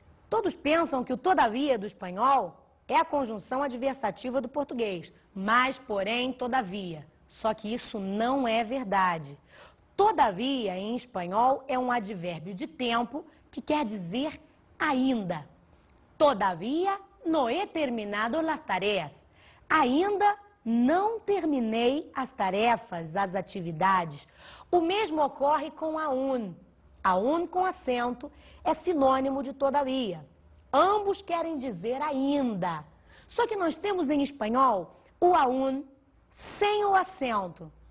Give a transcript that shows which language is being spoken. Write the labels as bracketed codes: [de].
[pt] Todos pensam que o todavia do espanhol é a conjunção adversativa do português, mas, porém, todavia. Só que isso não é verdade. Todavia, em espanhol, é um advérbio de tempo que quer dizer ainda. [es] Todavía no he terminado las tareas. [pt] Ainda não terminei as tarefas, as atividades. O mesmo ocorre com aún. Aún com acento é sinônimo de todavía. Ambos querem dizer ainda. Só que nós temos em espanhol o aún sem o acento.